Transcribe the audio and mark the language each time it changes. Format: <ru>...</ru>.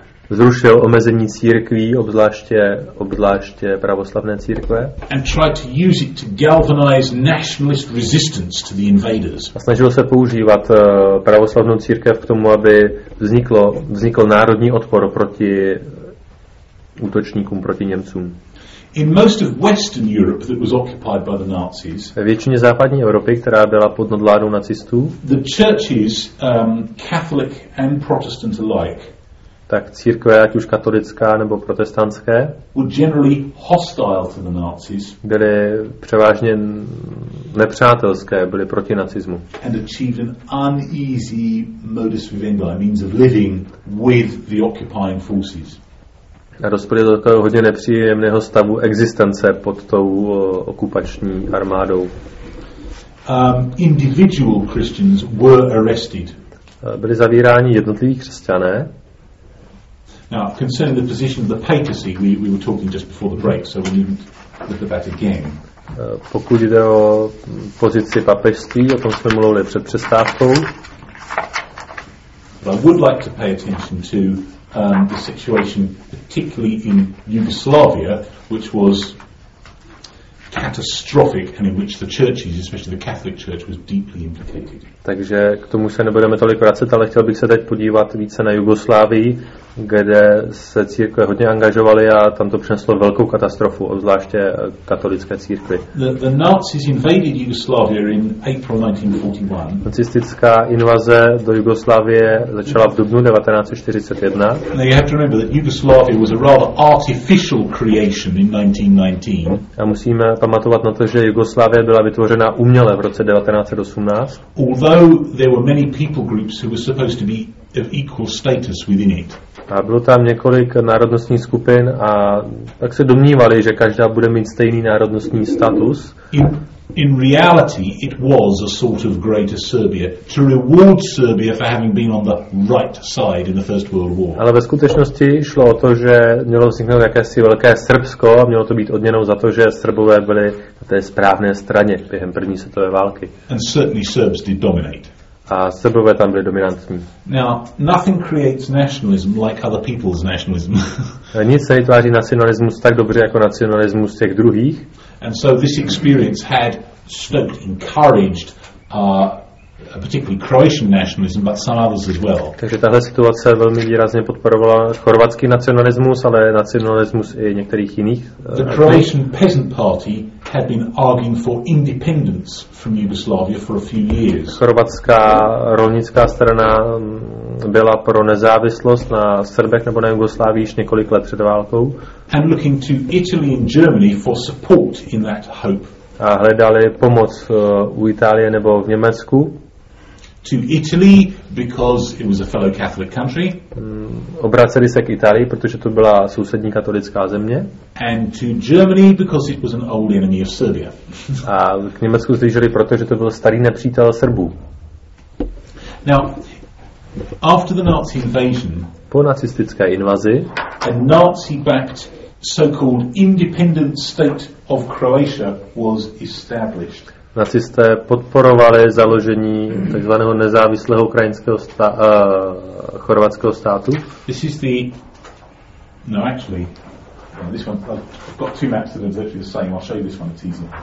<cs>Zrušil omezení církví, obzvláště pravoslavné církve.</cs> <en>And tried to use it to galvanize nationalist resistance to the invaders.</en> <cs>A snažil se používat pravoslavnou církev k tomu, aby vznikl národní odpor proti útočníkům, proti Němcům.</cs> <en>In most of Western Europe that was occupied by the Nazis.</en> <cs>Ve většině západní Evropy, která byla pod nadvládou nacistů.</cs> <en>The churches, Catholic and Protestant alike.</en> <cs>Tak církve, ať už katolická nebo protestantské,</cs> <en>were generally hostile to the Nazis.</en> <cs>Byly převážně nepřátelské, byly proti nacismu.</cs> <en>And achieved an uneasy modus vivendi, means of living with the occupying forces.</en> <cs>A dospěli do takového hodně nepříjemného stavu existence pod tou okupační armádou.</cs> <en>Individual Christians were arrested.</en> <cs>Byli zavíráni jednotliví křesťané.</cs> <en>Now, concerning the position of the papacy, we were talking just before the break, so we needn't look at that again.</en> <cs>Pokud jde o pozici papežství, o tom jsme mluvili před přestávkou.</cs> <en>But I would like to pay attention to the situation, particularly in Yugoslavia, which was catastrophic, and in which the churches, especially the Catholic Church, was deeply implicated.</en> <cs>Takže k tomu se nebudeme tolik vracet, ale chtěl bych se teď podívat více na Jugoslávii, kde se církve hodně angažovaly a tam to přineslo velkou katastrofu, obzvláště katolické církvi.</cs> <en>The Nazis invaded Yugoslavia in April 1941.</en> <cs>Nacistická invaze do Jugoslávie začala v dubnu 1941.</cs> <en>And you have to remember that Yugoslavia was a rather artificial creation in 1919.</en> <cs>A musíme pamatovat na to, že Jugoslávie byla vytvořena uměle v roce 1918.</cs> <en>Although there were many people groups who were supposed to be of equal status within it.</en> <cs>A bylo tam několik národnostních skupin a tak se domnívali, že každá bude mít stejný národnostní status.</cs> <en>In reality it was a sort of greater Serbia to reward Serbia for having been on the right side in the First World War.</en> <cs>Ale ve skutečnosti šlo o to, že mělo vzniknout jakési velké Srbsko a mělo to být odměnou za to, že Srbové byli na té správné straně během první světové války.</cs> <en>And certainly Serbs did dominate.</en> <cs>A Srbové tam byli dominantní.</cs> <en>Now, nothing creates nationalism like other people's nationalism.</en> <cs>Nic se nevytváří nacionalismus tak dobře jako nacionalismus těch druhých.</cs> <en>And so this experience had stoked, encouraged particularly Croatian nationalism, but some others as well.</en> <cs>Takže tahle situace velmi výrazně podporovala chorvatský nacionalismus, ale nacionalismus i některých jiných.</cs> <en>The Croatian Peasant Party had been arguing for independence from Yugoslavia for a few years.</en> <cs>Chorvatská rolnická strana byla pro nezávislost na Srbech nebo na Jugoslávii již několik let před válkou.</cs> <en>And looking to Italy and Germany for support in that hope.</en> <cs>A hledali pomoc u Itálie nebo v Německu.</cs> <en>To Italy because it was a fellow Catholic country.</en> <cs>Obraceli se k Itálii, protože to byla sousední katolická země.</cs> <en>And to Germany because it was an old enemy of Serbia.</en> <cs>A k Německu zlížili, protože to byl starý nepřítel Srbů.</cs> <en>Now, after the Nazi invasion,</en> <cs>po nacistické invazi,</cs> <en>a Nazi-backed so-called independent state of Croatia was established.</en> <cs>Nacisté podporovali založení takzvaného nezávislého ukrajinského chorvatského státu.</cs> <en>This is the no actually this one I've got two maps that are exactly the same. I'll show you this one, it's easier.</en>